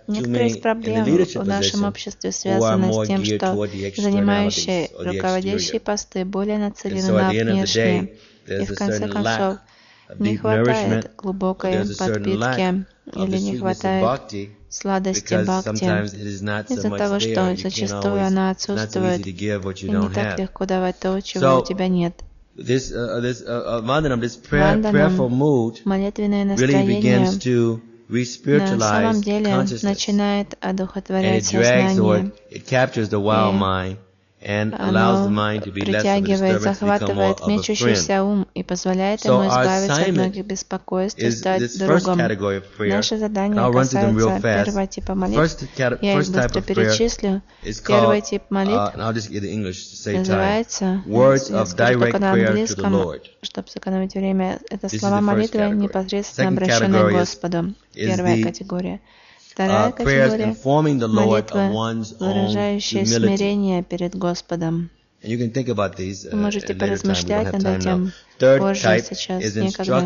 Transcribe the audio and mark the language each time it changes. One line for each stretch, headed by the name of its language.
Russian: Некоторые из проблем в нашем обществе связаны с тем, что занимающие руководящие посты более нацелены на внешнее. И в конце концов, не хватает глубокой подпитки или не хватает сладости бхакти из-за того, что зачастую она отсутствует, и не так легко давать то, чего у тебя нет.
English: This prayerful mood really begins to re-spiritualize consciousness, and it captures the wild mind and allows the mind to be less of a disturbance, to become more of a friend. So our assignment is this first category of prayer, and I'll run through them real fast. First type of prayer is called, and I'll just get the English to save time, words of direct prayer to the Lord.
Russian: Чтобы сэкономить время, это слова молитвы, непосредственно обращенные к Господу. Первая категория. Вторая категория – молитвы, выражающие смирение перед Господом. Вы можете поразмышлять над этим позже, сейчас некогда.